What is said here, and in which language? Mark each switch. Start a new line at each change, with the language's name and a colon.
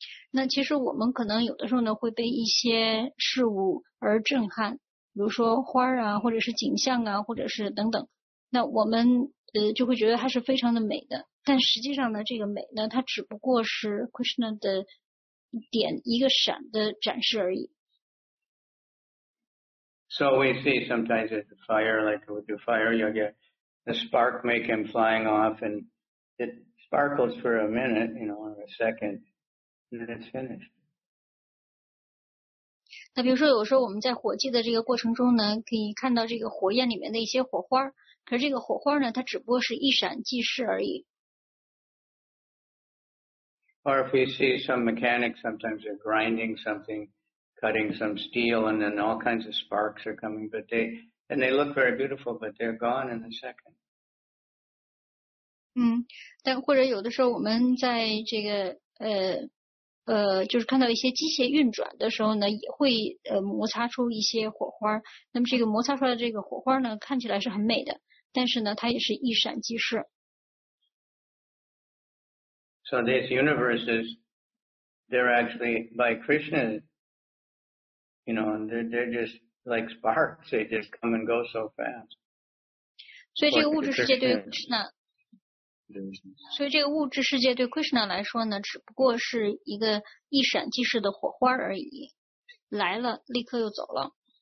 Chinese: 那其实我们可能有的时候呢，会被一些事物而震撼，比如说花啊，或者是景象啊，或者是等等。那我们就会觉得它是非常的美的，但实际上呢，这个美呢，它只不过是 Krishna 的一点一个闪的展示而已。
English: So we see sometimes it's a fire, like with your fire, you'll get the spark make him flying off, and it sparkles for a minute, you know, or a second, and then it's finished.
Chinese: 那比如说，有时候我们在火计的这个过程中呢，可以看到这个火焰里面的一些火花。可是这个火花呢，它只不过是一闪即逝而已。
English: Or if we see some mechanic, sometimes they're grinding something, cutting some steel, and then all kinds of sparks are coming, but they look very beautiful, but they're gone in a second.
Chinese: 但或者有的时候我们在这个就是看到一些机械运转的时候呢，也会摩擦出一些火花。那么这个摩擦出来的这个火花呢，看起来是很美的。但是呢，它也是一闪即逝。
English: So these universes, they're actually by Krishna, you know, and they're just like sparks. They just come and go so fast.
Chinese: 所以这个物质世界对 Krishna, 所以这个物质世界对 Krishna 来说呢，只不过是一个一闪即逝的火花而已，来了立刻又走了。